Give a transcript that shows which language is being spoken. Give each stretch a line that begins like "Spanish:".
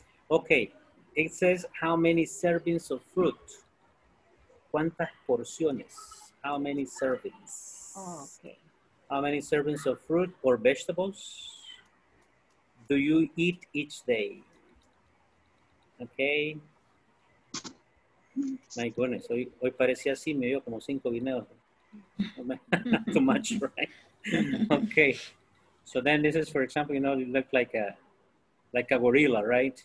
English: Okay, it says how many servings of fruit?
Spanish: ¿Cuántas porciones?
English: How many servings? Oh, okay. How many servings of fruit or vegetables do you eat each day? Okay.
Spanish: My goodness, hoy parecía así, me dio como 5 guineos.
English: Too much, right? Okay. So then this is, for example, you know, you look like a gorilla, right?